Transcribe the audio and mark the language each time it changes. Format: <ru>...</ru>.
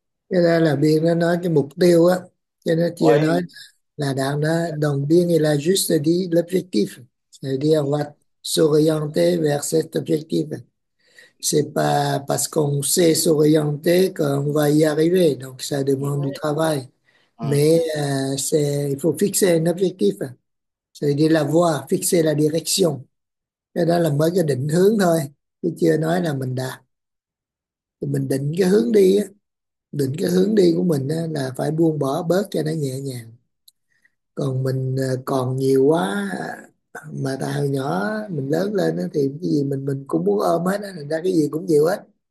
<vi>Cho nên là Biên nó nói cái mục tiêu á, cho nên chưa nói</vi> <fr>Oui.</fr> <vi>là đang nói đồng biên là</vi> <fr>juste dit l'objectif, c'est-à-dire va s'orienter vers cet objectif. C'est pas parce qu'on sait s'orienter qu'on va y arriver, donc ça demande du travail. Mais c'est il faut fixer un objectif, c'est-à-dire la voie, fixer la direction.</fr> <vi>Cho nên là mới cái định hướng thôi, chứ chưa nói là mình đạt. Mình định cái hướng đi á, định cái hướng đi của mình là phải buông bỏ bớt cho nó nhẹ nhàng. Còn mình còn nhiều quá mà tại hồi nhỏ mình lớn lên thì cái gì mình cũng muốn ôm hết, thành ra cái gì cũng nhiều hết.</vi>